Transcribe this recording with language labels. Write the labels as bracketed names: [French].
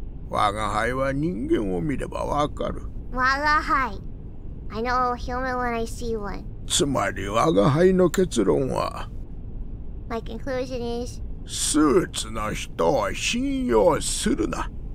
[Japanese] 我が輩は人間を見ればわかる. [English] 我が輩... I know a human when I see one. [Japanese] つまり我が輩の結論は、 [English] My conclusion is, [Japanese] スーツの人を信用するな。